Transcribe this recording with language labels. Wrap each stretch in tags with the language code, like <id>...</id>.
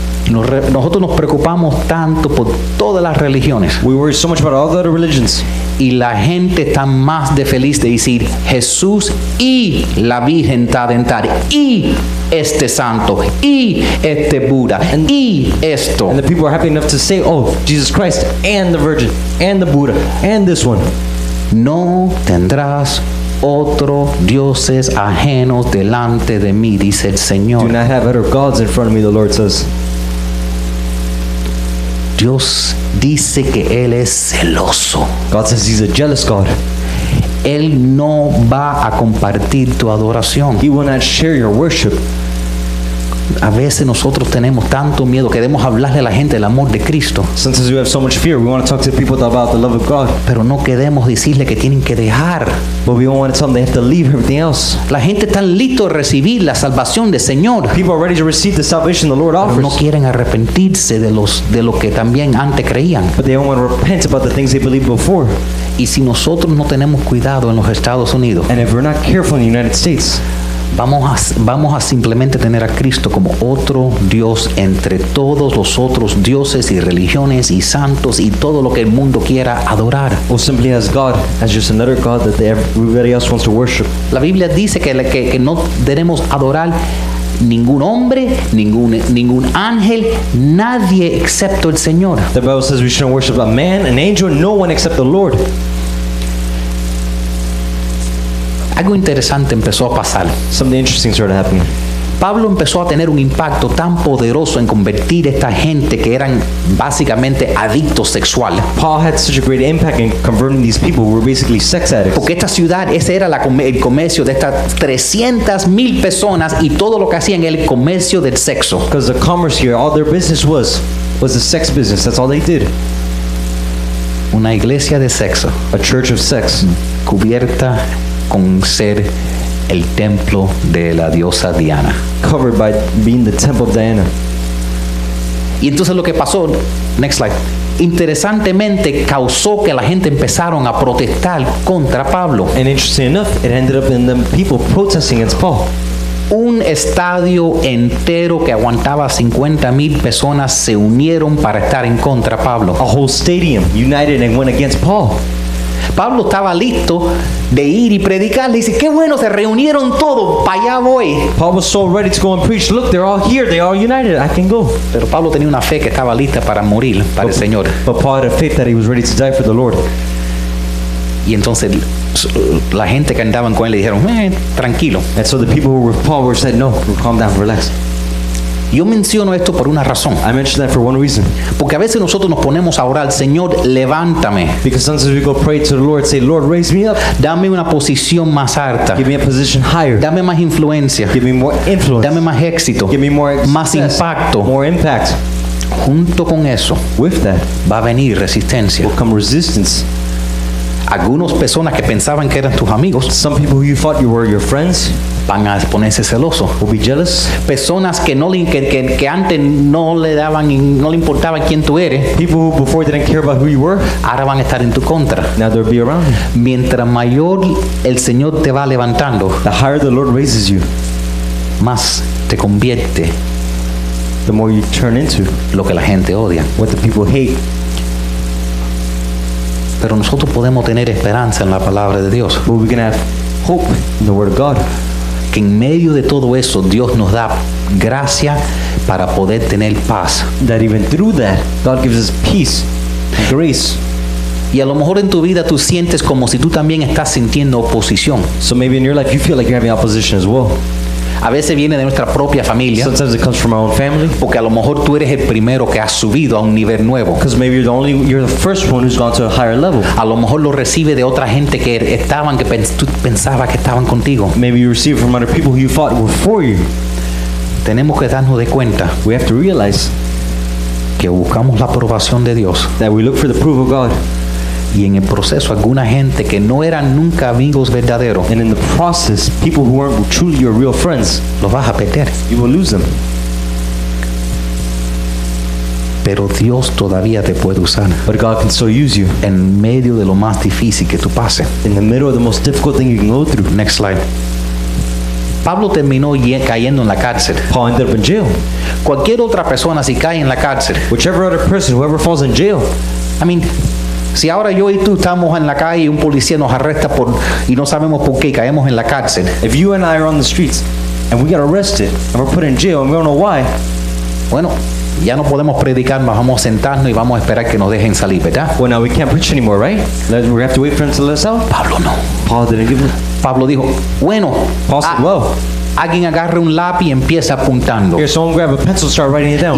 <es>Nosotros nos preocupamos tanto por todas las religiones.</es> <en>We worry so much about all the other religions.</en> <es>Y la gente está más de feliz de decir Jesús y la Virgen Tadentar y este santo y este Buda and, y esto.</es> <en>And the people are happy enough to say, oh, Jesus Christ and the Virgin and the Buddha and this one.</en> <es>No tendrás otro dioses ajenos delante de mí, dice el Señor.</es> <en>Do not have other gods in front of me, the Lord says.</en> <es>Dios dice que Él es celoso.</es> <en>God says He's a jealous God.</en> <es>Él no va a compartir tu adoración.</es> <en>He will not share your worship.</en> <es>A veces nosotros tenemos tanto miedo, queremos hablarle a la gente del amor de Cristo.</es> <en>Sometimes we have so much fear, we want to talk to people about the love of God.</en> <es>Pero no queremos decirle que tienen que dejar.</es> <en>But we don't want to tell them they have to leave everything else.</en> <es>La gente está listo a recibir la salvación del Señor.</es> <en>People are ready to receive the salvation the Lord offers.</en> <es>Pero no quieren arrepentirse de lo que también antes creían.</es> <en>But they don't want to repent about the things they believed before.</en> <es>Y si nosotros no tenemos cuidado en los Estados Unidos,</es> <en>and if we're not careful in the United States,</en> <es>Vamos a simplemente tener a Cristo como otro Dios entre todos los otros dioses y religiones y santos y todo lo que el mundo quiera adorar.</es> <en>Or simply as God, as just another God that everybody else wants to worship.</en> <es>La Biblia dice que no debemos adorar ningún hombre, ningún ángel, nadie excepto el Señor.</es> <en>The Bible says we shouldn't worship a man, an angel, no one except the Lord.</en> <es>Algo interesante empezó a pasar.</es> <en>Something interesting started happening.</en> <es>Pablo empezó a tener un impacto tan poderoso en convertir esta gente que eran básicamente adictos sexuales.</es> <en>Paul had such a great impact in converting these people who were basically sex addicts.</en> <es>Porque esta ciudad, ese era el comercio de estas 300,000 personas y todo lo que hacían el comercio del sexo.</es> <en>Because the commerce here, all their business was the sex business. That's all they did.</en> <es>Una iglesia de sexo.</es> <en>A church of sex.</en> <es>Cubierta con ser el templo de la diosa Diana.</es> <en>Covered by being the temple of Diana.</en> <es>Y entonces lo que pasó,</es> <en>next slide,</en> <es>interesantemente causó que la gente empezaron a protestar contra Pablo.</es> <en>And interesting enough, it ended up in them people protesting against Paul.</en> <es>Un estadio entero que aguantaba 50,000 personas se unieron para estar en contra Pablo.</es> <en>A whole stadium united and went against Paul.</en> <es>Pablo estaba listo de ir y predicar. Le dice, qué bueno, se reunieron todos, para allá voy.</es> <en>Paul was so ready to go and preach. Look, they're all here, they're all united, I can go.</en> <es>Pero Pablo tenía una fe que estaba lista para morir para el Señor.</es> <en>But Paul had a faith that he was ready to die for the Lord.</en> <es>Y entonces la gente que andaban con él le dijeron, tranquilo.</es> <en>And so the people who were with Paul were said, no, calm down, relax.</en> <es>Yo menciono esto por una razón.</es> <en>I mention that for one reason.</en> <es>Porque a veces nosotros nos ponemos a orar, Señor, levántame.</es> <en>Because sometimes we go pray to the Lord, say, Lord, raise me up.</en> <es>Dame una posición más alta.</es> <en>Give me a position higher.</en> <es>Dame más influencia.</es> <en>Give me more influence.</en> <es>Dame más éxito.</es> <en>Give me more success.</en> <es>Más impacto.</es> <en>More impact.</en> <es>Junto con eso,</es> <en>with that,</en> <es>va a venir resistencia.</es> <en>Will come resistance.</en> <es>Algunos personas que pensaban que eran tus amigos,</es> <en>some people who you thought you were your friends,</en> <es>van a ponerse celoso,</es> <en>will be jealous.</en> <es>Personas que no le que antes no le daban no le importaba quién tú eres,</es> <en>people who before didn't care about who you were,</en> <es>ahora van a estar en tu contra.</es> <en>Now they'll be around you.</en> <es>Mientras mayor el Señor te va levantando,</es> <en>the higher the Lord raises you,</en> <es>más te convierte,</es> <en>the more you turn into</en> <es>lo que la gente odia,</es> <en>what the people hate.</en> <es>Pero nosotros podemos tener esperanza en la palabra de Dios.</es> <en>But we can have hope in the word of God.</en> <es>Que en medio de todo eso, Dios nos da gracia para poder tener paz.</es> <en>That even through that, God gives us peace, grace.</en> <es>Y a lo mejor en tu vida tú sientes como si tú también estás sintiendo oposición.</es> <en>So maybe in your life you feel like you're having opposition as well.</en> <es>A veces viene de nuestra propia familia.</es> <en>Sometimes it comes from our own family.</en> <es>Porque a lo mejor tú eres el primero que ha subido a un nivel nuevo.</es> <en>Because maybe you're the first one who's gone to a higher level.</en> <es>A lo mejor lo recibe de otra gente que estaban que tú pensabas que estaban contigo.</es> <en>Maybe you receive it from other people who you thought were for you.</en> <es>Tenemos que darnos de cuenta.</es> <en>We have to realize</en> <es>que buscamos la aprobación de Dios.</es> <en>That we look for the approval of God.</en> <es>Y en el proceso alguna gente que no eran nunca amigos verdaderos,</es> <en>and in the process people who weren't truly your real friends,</en> <es>los vas a perder,</es> <en>you will lose them.</en> <es>Pero Dios todavía te puede usar,</es> <en>but God can still use you,</en> <es>en medio de lo más difícil que tú pases,</es> <en>in the middle of the most difficult thing you can go through. Next slide.</en> <es>Pablo terminó cayendo en la cárcel.</es> <en>Paul ended up in jail.</en> <es>Cualquier otra persona si cae en la cárcel,</es> <en>whichever other person, whoever falls in jail, I mean,</en> <es>si ahora yo y tú estamos en la calle y un policía nos arresta por y no sabemos por qué y caemos en la cárcel.</es> <en>If you and I are on the streets and we get arrested and we're put in jail and we don't know why.</en> <es>Bueno, ya no podemos predicar, nos vamos a sentarnos y vamos a esperar que nos dejen salir, ¿verdad?</es> <en>Well, now we can't preach anymore, right? We have to wait for them to let us out?</en> <es>Pablo no.</es> <en>Paul didn't give up.</en> <es>Pablo dijo, bueno.</es> <en>Paul said, well.</en> <es>Alguien agarra un lápiz y empieza apuntando.</es> <en>Here, someone grab a pencil, start writing it down.</en>